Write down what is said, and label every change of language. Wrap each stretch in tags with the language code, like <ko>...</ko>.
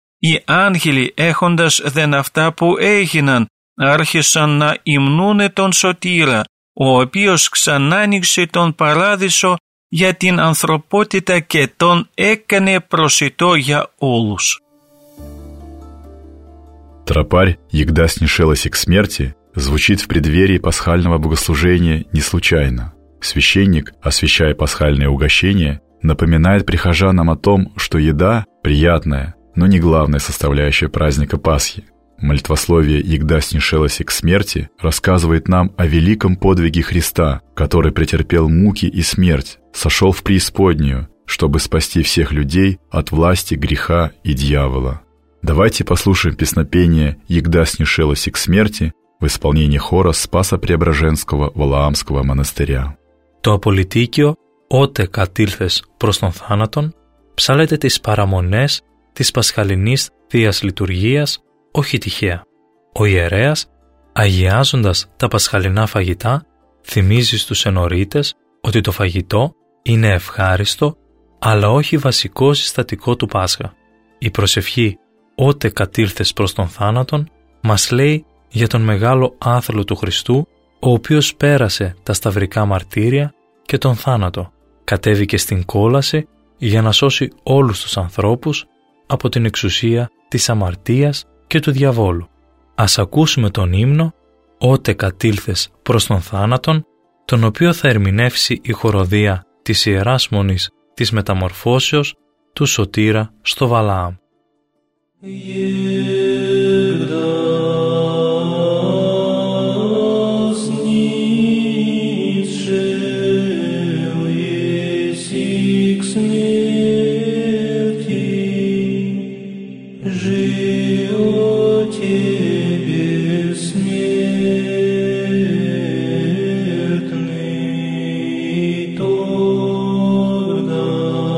<el>Οι άγγελοι, έχοντας δεν αυτά που έγιναν, άρχισαν να υμνούν τον Σωτήρα, ο οποίος ξανάνοιξε τον παράδεισο για την ανθρωπότητα και τον έκανε προσιτό για όλους.</el> <ru>Тропарь, «Егда снишелась к смерти» звучит в преддверии пасхального богослужения не случайно. Священник, освящая пасхальное угощение, напоминает прихожанам о том, что еда – приятная, но не главная составляющая праздника Пасхи. Молитвословие «Егда снишелась к смерти» рассказывает нам о великом подвиге Христа, который претерпел муки и смерть, сошел в преисподнюю, чтобы спасти всех людей от власти греха и дьявола. Давайте послушаем песнопение «Егда снишелась к смерти» в исполнении хора Спаса Преображенского Валаамского монастыря.</ru> <el>«То аполитикио, оте катильфес προς τον θάνατον, ψάλετε τις παραμονές της Πασχαλινής Θείας Λειτουργίας, όχι τυχαία. Ο ιερέας, αγιάζοντας τα πασχαλινά φαγητά, θυμίζει στους ενορίτες ότι το φαγητό είναι ευχάριστο, αλλά όχι βασικό συστατικό του Πάσχα. Η προσευχή «Ότε κατήλθες προς τον θάνατον» μας λέει για τον μεγάλο άθλο του Χριστού, ο οποίος πέρασε τα σταυρικά μαρτύρια και τον θάνατο. Κατέβηκε στην κόλαση για να σώσει όλους τους ανθρώπους από την εξουσία της αμαρτίας και του διαβόλου. Ας ακούσουμε τον ύμνο «Ότε κατήλθες προς τον θάνατον», τον οποίο θα ερμηνεύσει η χοροδία της Ιεράς Μονής της Μεταμορφώσεως του Σωτήρα στο Βαλάαμ.</el> <ru>Егда снишелась к смерти, живо тебе смертный тогда.</ru>